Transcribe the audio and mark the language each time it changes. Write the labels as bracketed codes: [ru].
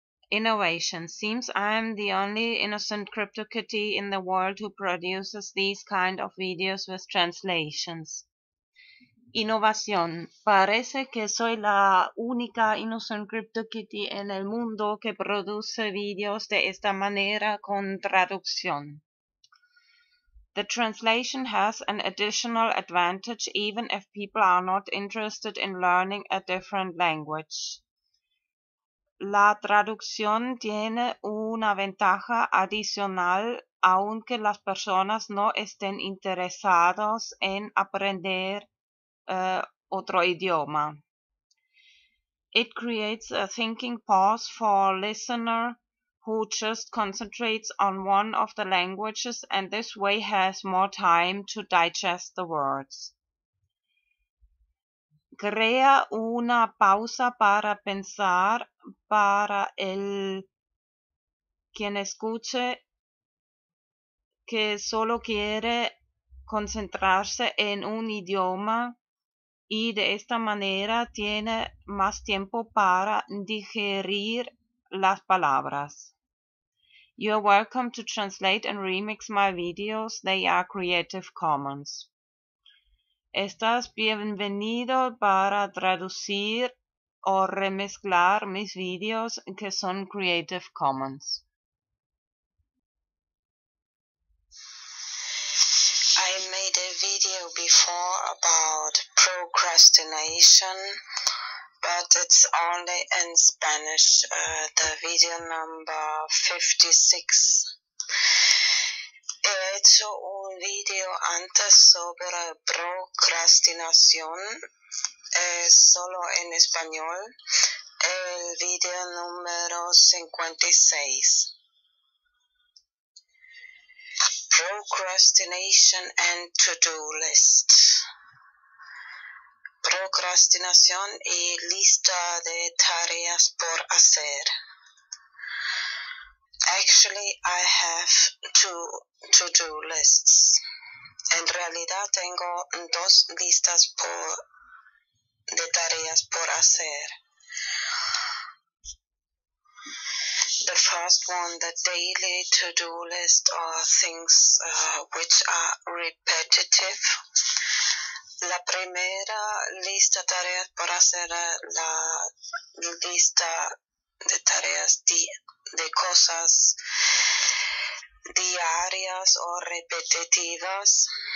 [en] Innovation. Seems I am the only innocent CryptoKitty in the world who produces these kind of videos with translations. Innovación. [es] Parece que soy la única innocent CryptoKitty en el mundo que produce videos de esta manera con traducción. [en] The translation has an additional advantage even if people are not interested in learning a different language. [es] La traducción tiene una ventaja adicional aunque las personas no estén interesadas en aprender otro idioma. [en] It creates a thinking pause for a listener who just concentrates on one of the languages and this way has more time to digest the words. [es] Crea una pausa para pensar para el quien escuche que solo quiere concentrarse en un idioma y de esta manera tiene más tiempo para digerir las palabras. [en] You're welcome to translate and remix my videos. They are Creative Commons. [es] Estás bienvenido para traducir o remezclar mis videos que son Creative Commons. [en] I made a video before about procrastination, but it's only in Spanish, the video number 56. [es] He hecho un video antes sobre procrastinación, solo en español, el video número 56. [en] Procrastination and to-do list. [es] Procrastinación y lista de tareas por hacer. [en] Actually, I have two to-do lists. [es] En realidad, tengo dos listas de tareas por hacer. [en] The first one, the daily to-do list, are things which are repetitive. [es] La primera lista de tareas por hacer, la lista de tareas de cosas diarias o repetitivas.